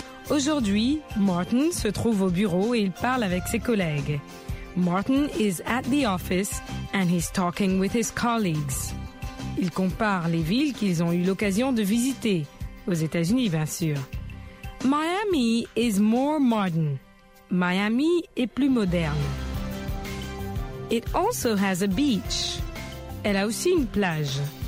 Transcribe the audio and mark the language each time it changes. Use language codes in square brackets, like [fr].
[fr] Aujourd'hui, Martin se trouve au bureau et il parle avec ses collègues. [en] Martin is at the office and he's talking with his colleagues. [fr] Il compare les villes qu'ils ont eu l'occasion de visiter, aux États-Unis bien sûr. [en] Miami is more modern. [fr] Miami est plus moderne. [en] It also has a beach. [fr] Elle a aussi une plage.